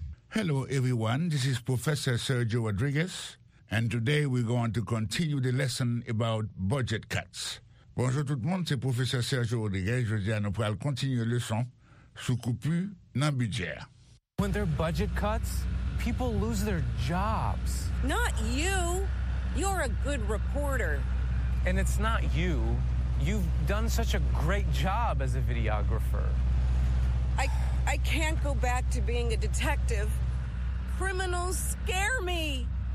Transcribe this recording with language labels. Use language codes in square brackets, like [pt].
[en] Hello everyone, this is Professor Sergio Rodriguez, and today we're going to continue the lesson about budget cuts. [fr] Bonjour tout le monde, c'est Professeur Sergio Rodriguez. Je vais nous faire continuer la leçon sous coupure dans le budget. [en] When there are budget cuts, people lose their jobs. Not you. You're a good reporter. And it's not you. You've done such a great job as a videographer. I can't go back to being a detective. Criminals scare me.